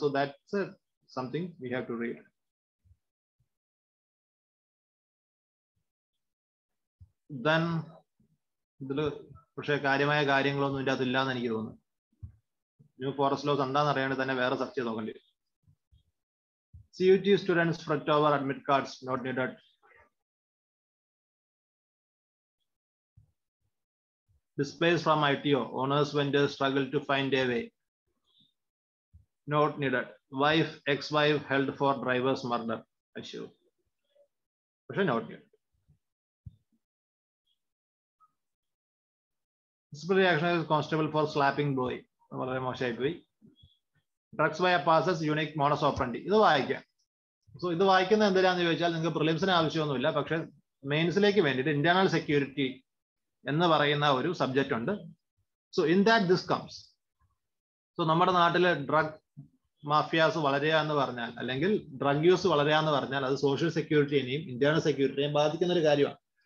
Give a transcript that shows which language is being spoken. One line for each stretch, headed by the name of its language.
English: So that's something we have to read.
Malayalam: Then ഇതില് പക്ഷേ കാര്യമായ കാര്യങ്ങളൊന്നും ഇതിന്റെ അകത്ത് ഇല്ലാന്ന് എനിക്ക് തോന്നുന്നു. ന്യൂ ഫോറസ്റ്റ് ലോസ് എന്താണെന്ന് അറിയാണ്ട് തന്നെ വേറെ സർച്ച് ചെയ്ത് നോക്കേണ്ടി വരും.
English: CUT students fret over admit cards not needed. Displaced from ITO, owners vendors struggle to find a way. Not needed. Wife, ex-wife held for driver's murder issue. Question not needed. Disciplinary reaction is constable for slapping boy.
Malayalam: വളരെ മോശമായിപ്പോയി.
English: Drugs bypasses unique modus operandi.
Malayalam: ഇത് വായിക്കാം. So ഇത് വായിക്കുന്നത് എന്തിനാണെന്ന് ചോദിച്ചാൽ നിങ്ങൾക്ക് പ്രിലിംസിന് ആവശ്യമൊന്നുമില്ല, പക്ഷെ മെയിൻസിലേക്ക് വേണ്ടിയിട്ട് ഇന്റേണൽ സെക്യൂരിറ്റി എന്ന് പറയുന്ന ഒരു സബ്ജക്റ്റ് ഉണ്ട്.
English: So in that this comes.
Malayalam: So നമ്മുടെ നാട്ടിലെ ഡ്രഗ് മാഫിയാസ് വളരെയാന്ന് പറഞ്ഞാൽ, അല്ലെങ്കിൽ ഡ്രഗ് യൂസ് വളരെയാന്ന് പറഞ്ഞാൽ, അത് സോഷ്യൽ സെക്യൂരിറ്റിയെയും ഇന്റേണൽ സെക്യൂരിറ്റിയെയും ബാധിക്കുന്ന ഒരു കാര്യമാണ്.